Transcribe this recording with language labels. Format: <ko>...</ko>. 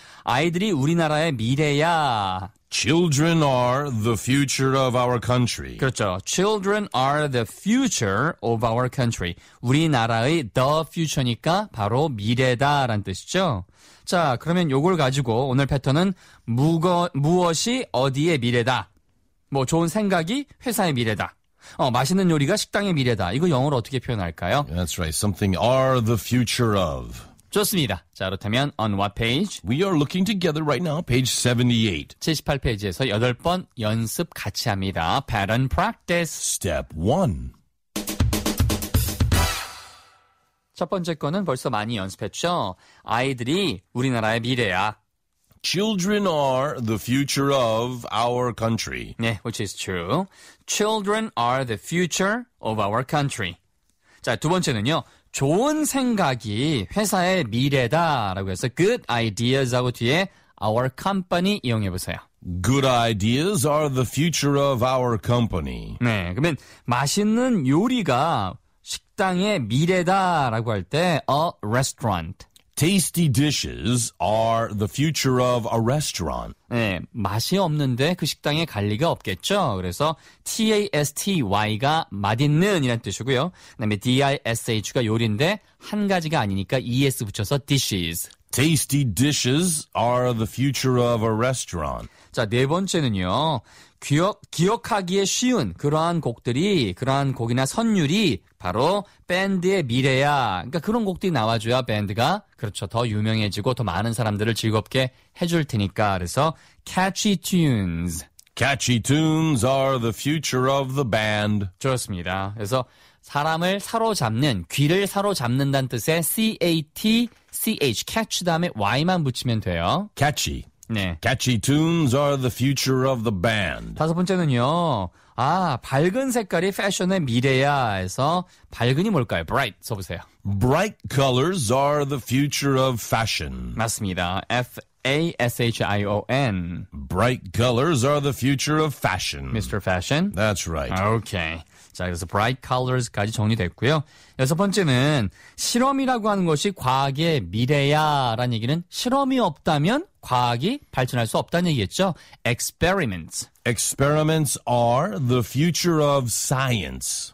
<ko>아이들이 우리나라의 미래야.</ko> <en>Children are the future of our country.</en> <ko>그렇죠.</ko> <en>Children are the future of our country.</en> <ko>우리나라의</ko> <en>the future</en> <ko>니까 바로 미래다라는 뜻이죠. 자, 그러면 이걸 가지고 오늘 패턴은 무엇이 어디의 미래다. 뭐 좋은 생각이 회사의 미래다. 맛있는 요리가 식당의 미래다. 이거 영어로 어떻게 표현할까요?</ko> <en>That's right. Something are the future of.</en> <ko>좋습니다. 자, 그렇다면</ko> <en>on what page? We are looking together right now, page 78.</en> <ko>78페이지에서 8번 연습 같이 합니다.</ko> <en>Pattern practice. Step 1.</en> <ko>첫 번째 거는 벌써 많이 연습했죠? 아이들이 우리나라의 미래야.</ko> <en>Children are the future of our country. 네, which is true. Children are the future of our country.</en> <ko>자, 두 번째는요. 좋은 생각이 회사의 미래다라고 해서</ko> <en>good ideas</en> <ko>하고 뒤에</ko> <en>our company</en> <ko>이용해보세요.</ko> <en>Good ideas are the future of our company.</en> <ko>네, 그러면 맛있는 요리가 식당의 미래다라고 할 때</ko> <en>a restaurant. Tasty dishes are the future of a restaurant.</en> <ko>네, 맛이 없는데 그 식당에 갈 리가 없겠죠. 그래서 TASTY가 맛있는이란 뜻이고요. 그다음에 DISH가 요리인데 한 가지가 아니니까 ES 붙여서 dishes.</ko> <en>Tasty dishes are the future of a restaurant.</en> <ko>자, 네 번째는요. 기억하기에 쉬운 그러한 곡들이, 그러한 곡이나 선율이 바로 밴드의 미래야. 그러니까 그런 곡들이 나와줘야 밴드가, 그렇죠, 더 유명해지고 더 많은 사람들을 즐겁게 해줄 테니까.</ko> <en>그래서 catchy tunes. Catchy tunes are the future of the band.</en> <ko>좋습니다. 그래서 사람을 사로잡는, 귀를 사로잡는다는 뜻의 C-A-T-C-H, catch 다음에 Y만 붙이면 돼요.</ko> <en>Catchy. 네. Catchy tunes are the future of the band.</en> <ko>다섯 번째는요. 아, 밝은 색깔이 패션의 미래야 해서 밝은이 뭘까요? Bright 써보세요.</ko> <en>Bright colors are the future of fashion.</en> <ko>맞습니다. F-A-S-H-I-O-N.</ko> <en>Bright colors are the future of fashion. Mr. Fashion. That's right. Okay.</en> <ko>자, 그래서</ko> <en>bright colors</en> <ko>까지 정리됐고요. 여섯 번째는 실험이라고 하는 것이 과학의 미래야라는 얘기는 실험이 없다면 과학이 발전할 수 없다는 얘기겠죠.</ko> <en>Experiments. Experiments are the future of science.</en>